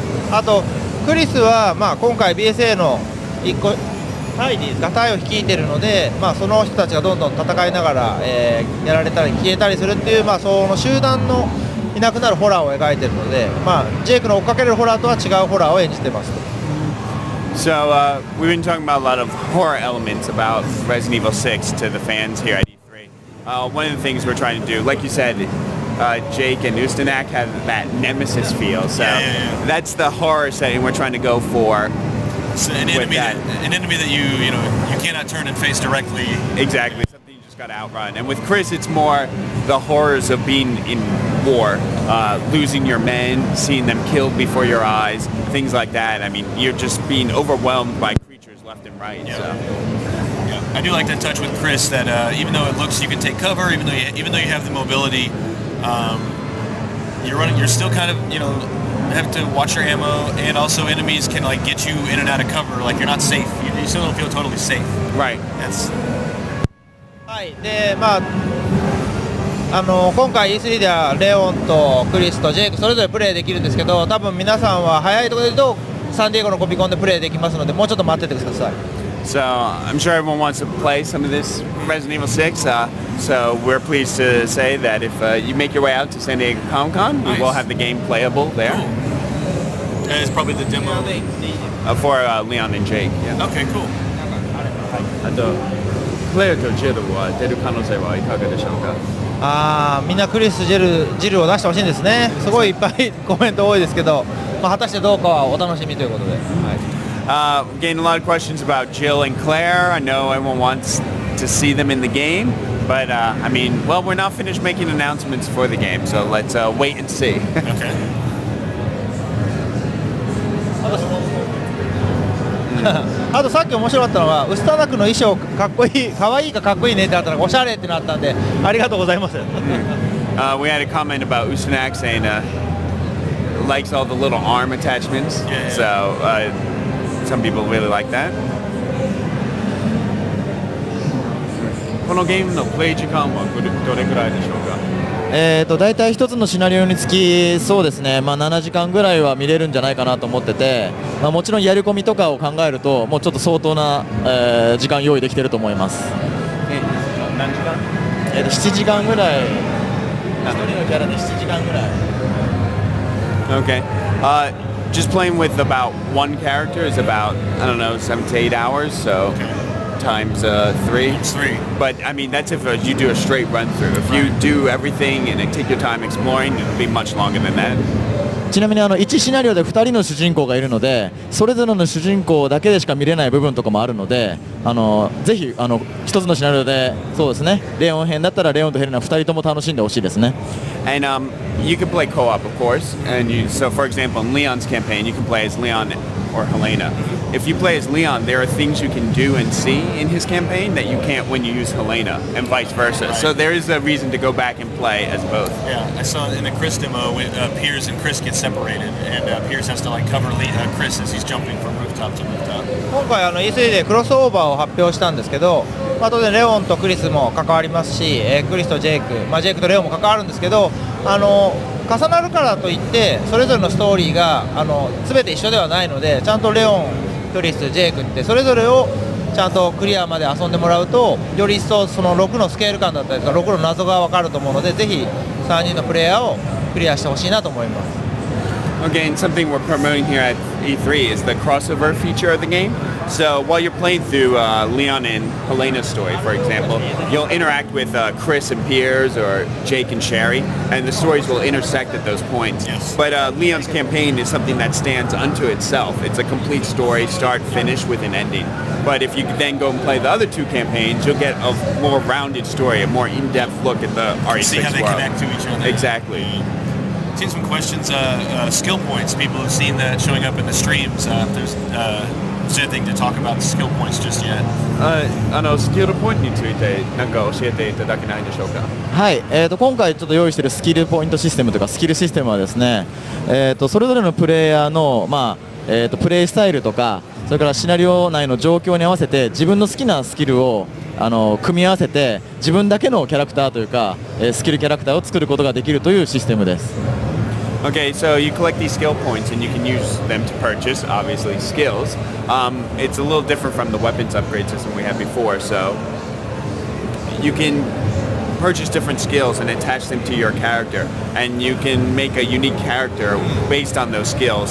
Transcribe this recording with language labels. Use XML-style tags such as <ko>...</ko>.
<ja>あとクリスは今回 BSA の一個隊を率いているので、その人たちがどんどん戦いながら、やられたり消えたりするっていう、その集団のいなくなるホラーを描いているので、ジェイクの追っかけるホラーとは違うホラーを演じています。</ja> <en>So we've been talking about a lot of horror elements about Resident Evil 6 to the fans here at E3. One of the things we're trying to do, like you saidJake and Ustanak have that nemesis feel, so that's the horror setting we're trying to go for. So an enemy that you cannot turn and face directly. Exactly. Something you just got to outrun. And with Chris, it's more the horrors of being in war, losing your men, seeing them killed before your eyes, things like that. I mean, you're just being overwhelmed by creatures left and right. Yeah. So. I do like that touch with Chris that even though it looks you can take cover, even though you have the mobility, you're still kind of, you know, have to watch your ammo, and also enemies can like get you in and out of cover. Like you're not safe. You still don't feel totally safe. Right. That's.</en> <ja>はい。で、まあ、あの今回 E3 ではレオンとクリスとジェイクそれぞれプレイできるんですけど、多分皆さんは早いところで言うとサンディエゴのコピコンでプレイできますので、もうちょっと待っててください。</ja> <en>So I'm sure everyone wants to play some of this Resident Evil 6. So we're pleased to say that if you make your way out to San Diego Comic-Con, nice. We will have the game playable there. Cool. And it's probably the demo For Leon and Jake. Yeah. Okay, cool.</en> <ja>あとクレアとジェルは出る可能性はいかがでしょうか？ああ、みんなクリスジルを出してほしいんですね。すごいいっぱいコメント多いですけど、まあ、果たしてどうかはお楽しみということで。はい。</ja> <en>Getting a lot of questions about Jill and Claire. I know everyone wants to see them in the game, but I mean, well, we're not finished making announcements for the game, so let's wait and see.</en> <ja>Okay. あとさっき面白かったのはウスタナクの衣装かっこいい、かわいいかかっこいいねってあったらおしゃれってなったんでありがとうございます。</ja> <en>We had a comment about Usnak saying likes all the little arm attachments. Yeah. So. Some people really like that.</en> <ja>このゲームのプレイ時間はどれくらいでしょうか？だいたい一つのシナリオにつき、そうですね、まあ、7時間ぐらいは見れるんじゃないかなと思ってて、まあ、もちろんやり込みとかを考えると、もうちょっと相当な、時間用意できてると思います。何時間？ 7時間ぐらい。 1人のキャラで7時間ぐらい。</ja> <en>Okay. Just playing with about one character is about, I don't know, 7 to 8 hours, so okay. Times three. But I mean, that's if you do a straight run through. If you do everything and take your time exploring, it'll be much longer than that.</en> <ja>ちなみにあの1シナリオで2人の主人公がいるので、それぞれの主人公だけでしか見れない部分とかもあるので、あのぜひあの1つのシナリオで、そうですね、レオン編だったらレオンとヘレナ2人とも楽しんでほしいですね。</ja> <en>And you can play co-op, of course. And you, so, for example, in Leon's campaign, you can play as Leon or Helena. If you play as Leon, there are things you can do and see in his campaign that you can't when you use Helena, and vice versa. Right. So there is a reason to go back and play as both. Yeah, I saw in the Chris demo, Piers and Chris get separated, and Piers has to like cover Chris as he's jumping from rooftop to rooftop.</en> <ja>今回あの E3 でクロスオーバーを発表したんですけど、まあ、当然レオンとクリスも関わりますし、クリスとジェイク、まあ、ジェイクとレオンも関わるんですけど、あの重なるからといってそれぞれのストーリーがあの全て一緒ではないので、ちゃんとレオン、クリス、ジェイクってそれぞれをちゃんとクリアまで遊んでもらうと、より一層その6のスケール感だったりとか6の謎が分かると思うので、ぜひ3人のプレイヤーをクリアしてほしいなと思います。</ja> <en>Again, something we're promoting here at E3 is the crossover feature of the game. So while you're playing through Leon and Helena's story, for example, you'll interact with Chris and Piers or Jake and Sherry, and the stories will intersect at those points. Yes. But Leon's campaign is something that stands unto itself. It's a complete story, start, finish, with an ending. But if you then go and play the other two campaigns, you'll get a more rounded story, a more in-depth look at the RE6 See how they connect to each other. Exactly. Seen some questions, skill points. People have seen that showing up in the streams. If there's anything to talk about skill points just yet.</en> <ja>あのスキルポイントについて何か教えていただけないでしょうか。はい。今回ちょっと用意しているスキルポイントシステムとかスキルシステムはですね、それぞれのプレイヤーのまあ、プレイスタイルとか、それからシナリオ内の状況に合わせて自分の好きなスキルをあの組み合わせて自分だけのキャラクターというか、スキルキャラクターを作ることができるというシステムです。</ja> <en>Okay, so you collect these skill points and you can use them to purchase, obviously, skills. It's a little different from the weapons upgrade system we had before, so you can purchase different skills and attach them to your character, and you can make a unique character based on those skills.</en>